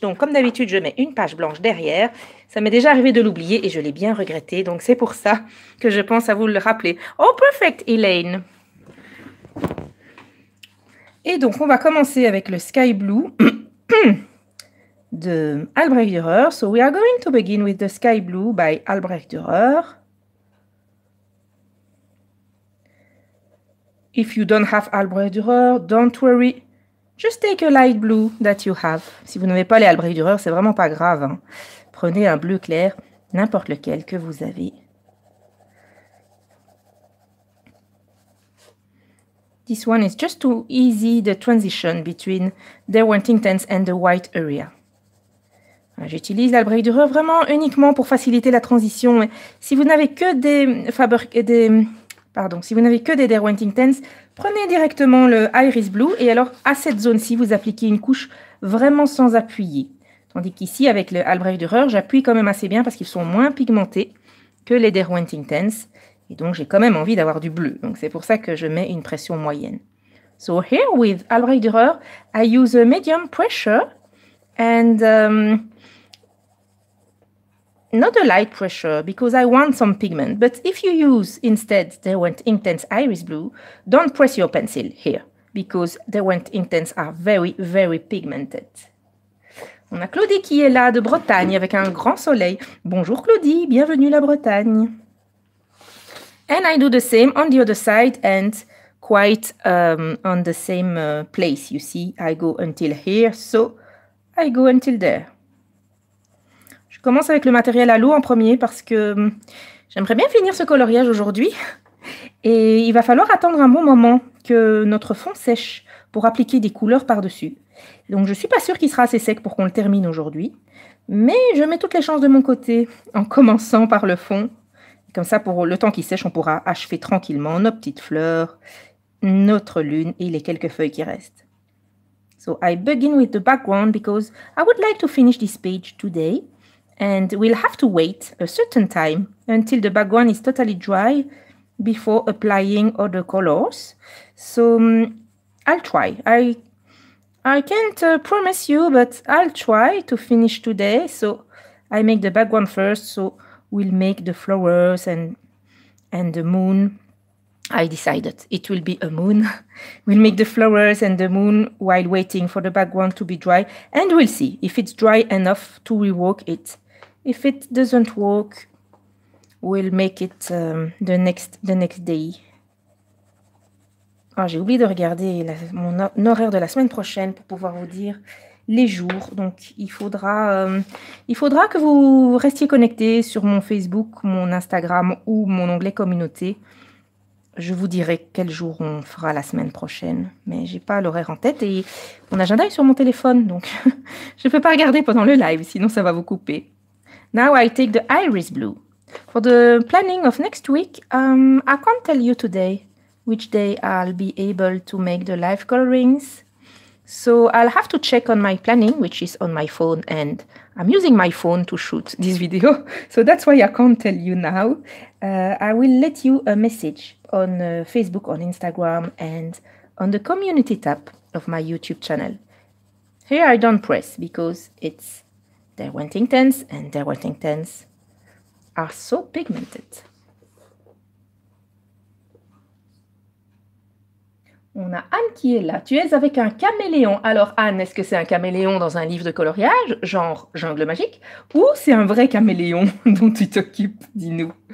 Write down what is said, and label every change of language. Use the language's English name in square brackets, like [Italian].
[French] Donc, comme d'habitude, je mets une page blanche derrière. Ça m'est déjà arrivé de l'oublier et je l'ai bien regretté. Donc, c'est pour ça que je pense à vous le rappeler. [English] Oh, perfect, [French] Hélène. Et donc, on va commencer avec le Sky Blue de Albrecht Dürer. [English] So, we are going to begin with the Sky Blue by Albrecht Dürer. If you don't have Albrecht Dürer, don't worry. Just take a light blue that you have. [French] Si vous n'avez pas les Albrecht Dürer, c'est vraiment pas grave. Hein. Prenez un bleu clair, n'importe lequel que vous avez. [English] This one is just too easy, the transition between the white intense and the white area. [French] J'utilise l'Albrecht Dürer vraiment uniquement pour faciliter la transition. Mais si vous n'avez que des Faber, si vous n'avez que des Derwent Intense, prenez directement le Iris Blue et alors à cette zone-ci, vous appliquez une couche vraiment sans appuyer. Tandis qu'ici, avec le Albrecht Dürer, j'appuie quand même assez bien parce qu'ils sont moins pigmentés que les Derwent Intense. Et donc, j'ai quand même envie d'avoir du bleu. Donc, c'est pour ça que je mets une pression moyenne. [English] So here with Albrecht Dürer, I use a medium pressure and not a light pressure because I want some pigment. But if you use instead Derwent Intense Iris Blue, don't press your pencil here because Derwent Intense are very, very pigmented. [French] On a Claudie qui est là de Bretagne avec un grand soleil. Bonjour Claudie, bienvenue la Bretagne. [English] And I do the same on the other side and quite on the same place. You see, I go until here, so I go until there. [French] Je commence avec le matériel à l'eau en premier parce que j'aimerais bien finir ce coloriage aujourd'hui. Et il va falloir attendre un bon moment que notre fond sèche pour appliquer des couleurs par-dessus. Donc je ne suis pas sûre qu'il sera assez sec pour qu'on le termine aujourd'hui. Mais je mets toutes les chances de mon côté en commençant par le fond. Comme ça, pour le temps qui sèche, on pourra achever tranquillement nos petites fleurs, notre lune et les quelques feuilles qui restent. [English] So I begin with the background because I would like to finish this page today. And we'll have to wait a certain time until the background is totally dry before applying other colors. So I'll try. I can't promise you, but I'll try to finish today. So I make the background first. So we'll make the flowers and the moon. I decided it will be a moon. We'll make the flowers and the moon while waiting for the background to be dry. And we'll see if it's dry enough to rework it. If it doesn't work, we'll make it the next day. [French] Oh, j'ai oublié de regarder mon horaire de la semaine prochaine pour pouvoir vous dire les jours. Donc, il faudra que vous restiez connectés sur mon Facebook, mon Instagram ou mon onglet communauté. Je vous dirai quel jour on fera la semaine prochaine. Mais j'ai pas l'horaire en tête et mon agenda est sur mon téléphone. Donc, je ne peux pas regarder pendant le live, sinon ça va vous couper. [English] Now I take the Iris Blue. For the planning of next week, I can't tell you today which day I'll be able to make the live colorings. So I'll have to check on my planning, which is on my phone, and I'm using my phone to shoot this video. So that's why I can't tell you now. I will let you a message on Facebook, on Instagram, and on the community tab of my YouTube channel. Here I don't press because it's Derwent Intense, and Derwent Intense are so pigmented. [French] On a Anne qui est là. Tu es avec un caméléon. Alors Anne, est-ce que c'est un caméléon dans un livre de coloriage, genre Jungle Magique, ou c'est un vrai caméléon dont tu t'occupes, dis-nous.